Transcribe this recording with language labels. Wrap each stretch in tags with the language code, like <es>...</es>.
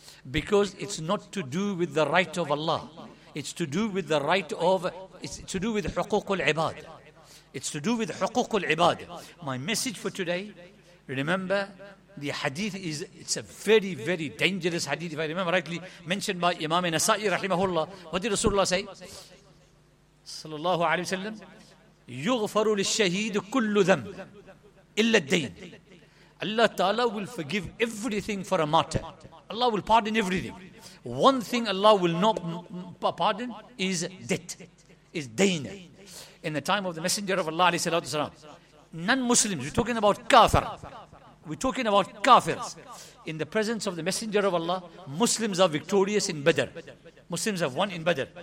<en>Because it's not to do with the right of Allah. It's to do with the right of, it's to do with huququl ibad. It's to do with huququl ibad. My message for today, remember, the hadith is, it's a very, very dangerous hadith, if I remember rightly, mentioned by Imam Nasa'i rahimahullah. What did Rasulullah say?</en> <ar>Sallallahu alayhi wa sallam, يُغْفَرُ لِلشَّهِيدُ كُلُّ ذَنْبُ إِلَّا الدَّيْنِ.</ar> <en>Allah Ta'ala will forgive everything for a martyr. Allah will pardon everything. One thing Allah will not pardon is debt, is dayn. In the time of the Messenger of Allah, non-Muslims, we're talking about kafir. We're talking about kafirs. In the presence of the Messenger of Allah, Muslims are victorious in Badr. Muslims have won in Badr.</en>